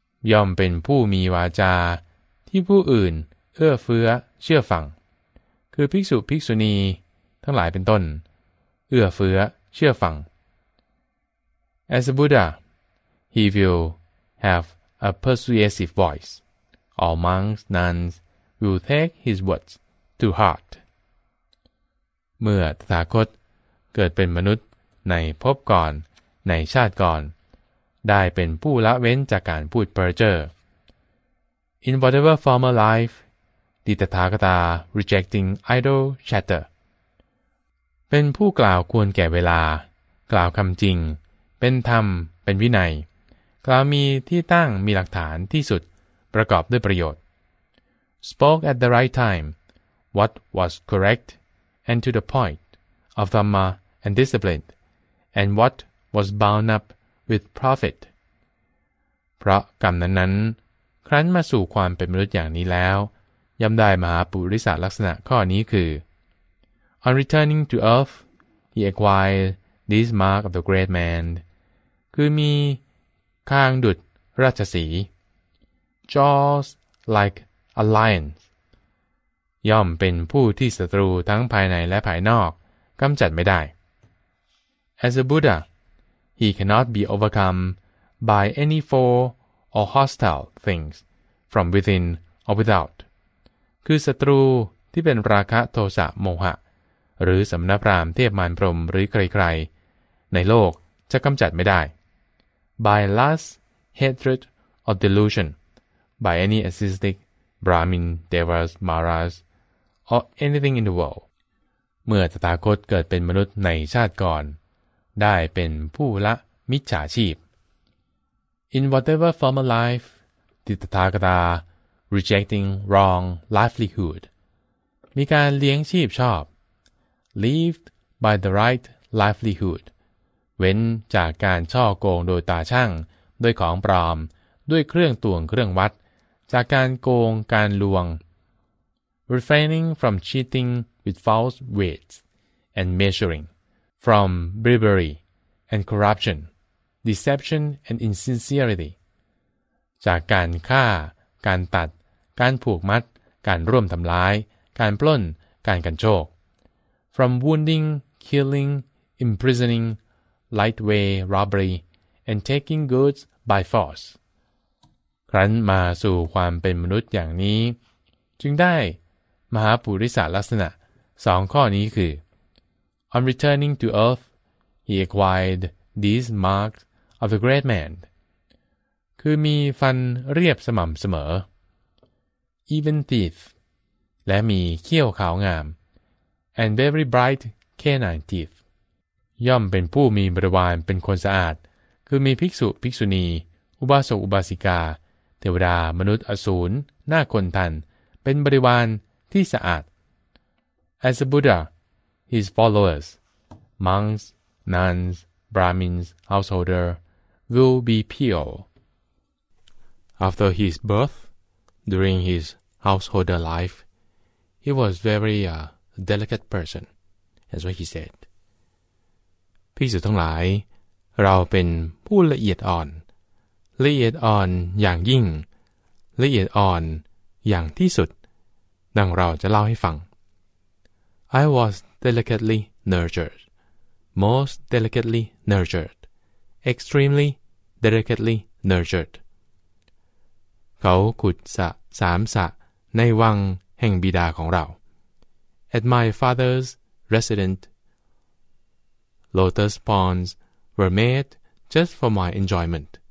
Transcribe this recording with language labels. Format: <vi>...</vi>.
<th>ย่อมเป็นผู้มีวาจาที่ผู้อื่นเอื้อเฟื้อเชื่อฟังคือภิกษุภิกษุณีทั้งหลายเป็นต้นเอื้อเฟื้อเชื่อฟัง</th> <en>as a buddha he will have a persuasive voice all monks nuns will take his words to heart</en> <th>เมื่อตถาคตเกิดเป็นมนุษย์ในภพก่อนในชาติก่อนได้เป็นผู้ละเว้นจากการพูดเพ้อเจ้อ</th> <en>In whatever former life ติตถาคตา rejecting idle chatter</en> <th>เป็นผู้กล่าวควรแก่เวลากล่าวคำจริงเป็นธรรมเป็นวินัยกล่าวมีที่ตั้งมีหลักฐานที่สุดประกอบด้วยประโยชน์</th> <en>spoke at the right time what was correctand to the point of dhamma and discipline and what was bound up with profit</en> <th>เพราะกรรมนั้นๆครั้นมาสู่ความเป็นมนุษย์อย่างนี้แล้วย่อมได้มหาปุริสลักษณะข้อนี้คือ</th> <en>on returning to earth he acquired this mark of the great man</en> <th>คือมีคางดุจราชสีห์</th> <en>jaws like a lion</en> <th>ย่อมเป็นผู้ที่ศัตรูทั้งภายในและภายนอกกำจัดไม่ได้</th> <en>As a Buddha, he cannot be overcome by any foe or hostile things from within or without.</en> <th>คือศัตรูที่เป็นราคะโทสะโมหะหรือสำนักพราหมณ์เทพมารพรหมหรือใครๆในโลกจะกำจัดไม่ได้</th> <en>by lust, hatred or delusion, by any ascetic, Brahmin, Devas, Maras,or anything in the world</en> <th>เมื่อตถาคตเกิดเป็นมนุษย์ในชาติก่อนได้เป็นผู้ละมิจฉาชีพ</th> <en>In whatever former life ติตถาคตา rejecting wrong livelihood</en> <th>มีการเลี้ยงชีพชอบ</th> <en>lived by the right livelihood</en> <th>เว้นจากการช่อโกงโดยตาช่างด้วยของปลอมด้วยเครื่องตวงเครื่องวัดจากการโกงการลวง</th> <en>refraining from cheating with false weights and measuring from bribery and corruption deception and insincerity</en> <th>จากการฆ่าการตัดการผูกมัดการร่วมทำร้ายการปล้นการกันโชค</th> <en>from wounding killing imprisoning lightway robbery and taking goods by force</en> <th>ครั้นมาสู่ความเป็นมนุษย์อย่างนี้จึงได้มหาปุริสลักษณะสองข้อนี้คือ</th> <en>On returning to earth he acquired these marks of the great man</en> <th>คือมีฟันเรียบสม่ำเสม</th> <en>อ Even teeth</en> <th>และมีเขี้ยวขาวงาม</th> <en>And very bright canine teeth</en> <th>ย่อมเป็นผู้มีบริวารเป็นคนสะอาดคือมีภิกษุภิกษุณีอุบาสกอุบาสิกาเทวดามนุษย์อสูรหน้าคนทันเป็นบริวารที่สะอาด</th> <en>As a Buddha, his followers, monks, nuns, Brahmins, householder, will be pure. After his birth, during his householder life, he was very delicate person. That's what he said.</en> <th>ภิกษุทั้งหลายเราเป็นผู้ละเอียดอ่อนละเอียดอ่อนอย่างยิ่งละเอียดอ่อนอย่างที่สุดดังเราจะเล่าให้ฟัง</th> <en>I was delicately nurtured, most delicately nurtured, extremely delicately nurtured.</en> <th>เขาขุดสระสามสระ ในวังแห่งบิดาของเรา</th> <en>At my father's residence, lotus ponds were made just for my enjoyment.</en>